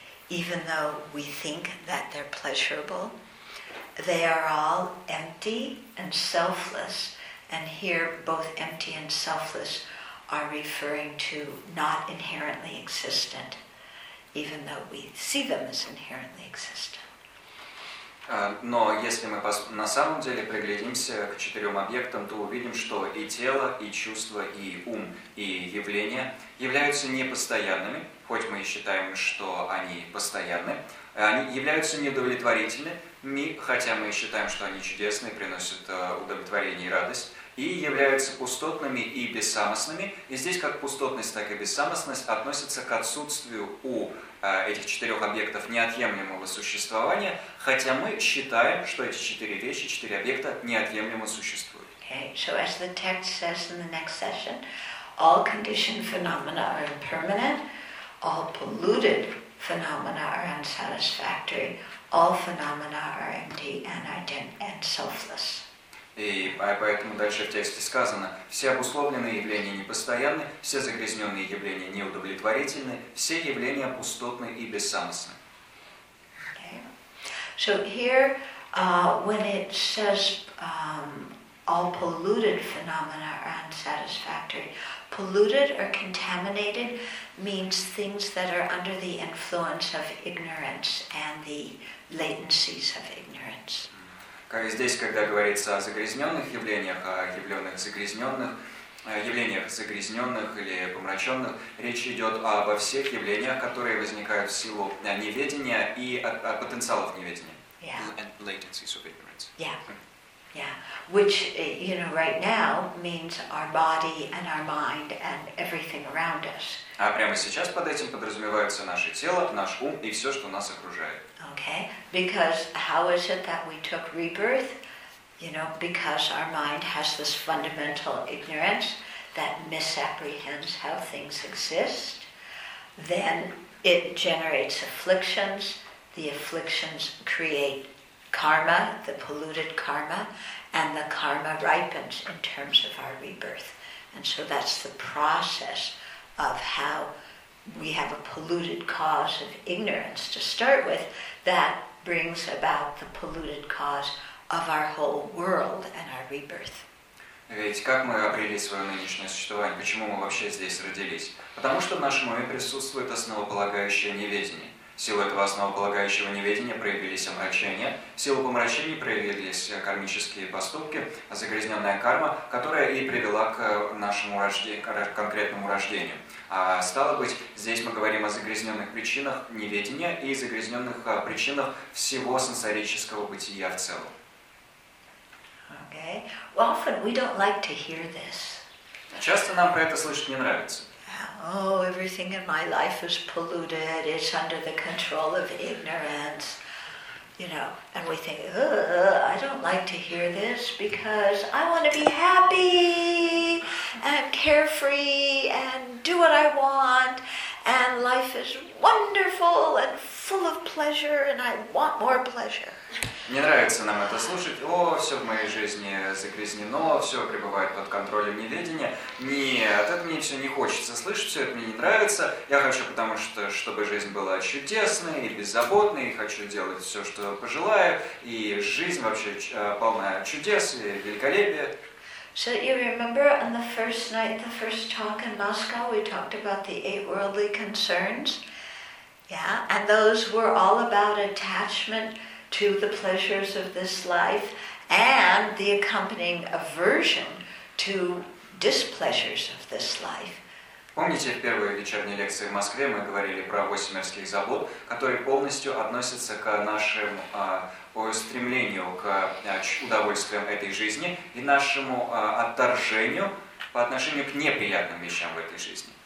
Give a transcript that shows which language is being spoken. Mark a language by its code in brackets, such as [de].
[en] Even though we think that they're pleasurable, they are all empty and selfless. And here, both empty and selfless are referring to not inherently existent, even though we see them as inherently existent. [ru] Но если мы на самом деле приглядимся к четырем объектам, то увидим, что и тело, и чувства, и ум, и явления являются непостоянными. Хоть мы и считаем, что они постоянны, они являются неудовлетворительными, хотя мы и считаем, что они чудесны, приносят удовлетворение и радость, и являются пустотными и бессамостными. И здесь как пустотность, так и бессамостность относятся к отсутствию у этих четырех объектов неотъемлемого существования, хотя мы считаем, что эти четыре вещи, четыре объекта неотъемлемо существуют. [en] Okay. So as the text says in the next session, all conditioned phenomena are impermanent. All polluted phenomena are unsatisfactory. All phenomena are empty and selfless. [ru] И поэтому дальше в тексте сказано: все обусловленные явления непостоянны, все загрязненные явления неудовлетворительны, все явления пустотны и бессамостны. [en] Okay. So here, when it says all polluted phenomena are unsatisfactory, polluted or contaminated means things that are under the influence of ignorance and the latencies of ignorance. [ru] Как здесь, когда говорится о загрязненных явлениях, о явленных загрязненных, явлениях загрязненных или помраченных, речь идет обо всех явлениях, которые возникают в силу неведения и от потенциалов неведения. [en] Yeah. And latencies of ignorance. Yeah. Yeah. Which, you know, right now means our body and our mind and everything around us. [ru] А прямо сейчас под этим подразумевается наше тело, наш ум и все, что нас окружает. [en] Okay, because how is it that we took rebirth? You know, because our mind has this fundamental ignorance that misapprehends how things exist. Then it generates afflictions. The afflictions create karma, the polluted karma, and the karma ripens in terms of our rebirth. And so that's the process of how we have a polluted cause of ignorance to start with that brings about the polluted cause of our whole world and our rebirth. [ru] Ведь как мы обрели свое нынешнее существование? Почему мы вообще здесь родились? Потому что в нашем уме присутствует основополагающее неведение. В силу этого основополагающего неведения проявились омрачения, в силу помрачений проявились кармические поступки, загрязненная карма, которая и привела к нашему конкретному рождению. А стало быть, здесь мы говорим о загрязненных причинах неведения и загрязненных причинах всего сансарического бытия в целом. [en] Okay. Well, often we don't like to hear this. [ru] Часто нам про это слышать не нравится. [en] Oh, everything in my life is polluted. It's under the control of ignorance. You know, and we think, I don't like to hear this because I want to be happy and carefree and do what I want. And life is wonderful and full of pleasure and I want more pleasure. [ru] Не нравится нам это слушать. О, все в моей жизни загрязнено, все пребывает под контролем неведения. Нет, это мне все не хочется слышать, все это мне не нравится. Я хочу, потому что, чтобы жизнь была чудесной и беззаботной, и хочу делать все, что пожелаю, и жизнь вообще полна чудес и великолепия. [en] So you remember on the first night, the first talk in Moscow, we talked about the eight worldly concerns? Yeah, and those were all about attachment to the pleasures of this life and the accompanying aversion to displeasures of this life. [ru] Помните, в первой вечерней лекции в Москве мы говорили про восемь мирских забот, которые полностью относятся к нашим устремлению к удовольствиям этой жизни и нашему отторжению по отношению к неприятным вещам в этой жизни.